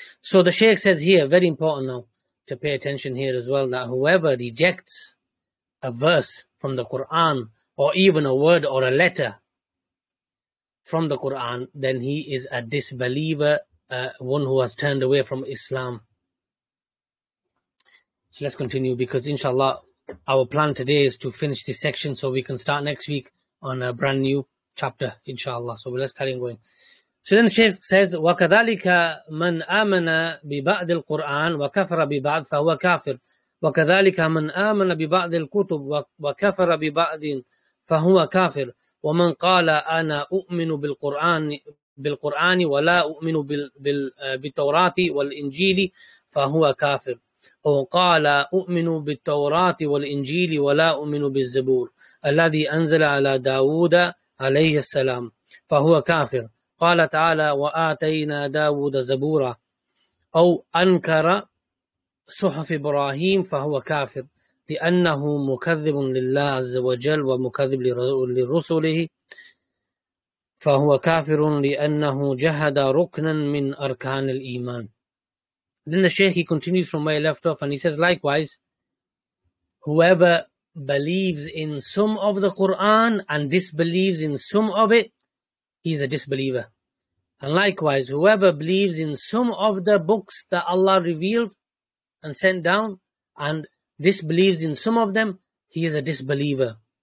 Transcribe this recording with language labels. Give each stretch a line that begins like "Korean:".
English: So the Shaykh says here, very important now to pay attention here as well, that whoever rejects a verse from the Quran or even a word or a letter from the Quran, then he is a disbeliever, one who has turned away from Islam. So let's continue, because inshallah our plan today is to finish this section so we can start next week on a brand new chapter inshallah. So let's carry on going. So then the Shaykh says,
Arabic: وَكَذَلِكَ مَنْ آمَنَ بِبَعْدِ الْقُرْآنِ وَكَفَرَ بِبَعْدِ فَهُوَ كَافِرٌ وَكَذَلِكَ مَنْ آمَنَ بِبَعْدِ الْكُتُبِ وَكَفَرَ بِبَعْدٍ فَهُوَ كَافِرٌ وَمَنْ قَالَ أَنَا أُؤْمِنُ بِالْقُرْآنِ وَلَا أُؤْمِنُ بِالتَّوْرَاةِ وَالْإِنْجِيلِ فَهُوَ كَافِرٌ أو قال أؤمن بالتوراة والإنجيل ولا أؤمن بالزبور الذي أنزل على داود عليه السلام فهو كافر. قال تعالى وآتينا داود زبورا أو أنكر صحف إبراهيم فهو كافر لأنه مكذب لله عز وجل ومكذب لرسله فهو كافر لأنه جهد ركنا من أركان الإيمان.
English: Then the Shaykh, he continues from where he left off, and he says, likewise, whoever believes in some of the Quran and disbelieves in some of it, he's a disbeliever. And likewise, whoever believes in some of the books that Allah revealed and sent down and disbelieves in some of them, he is a disbeliever.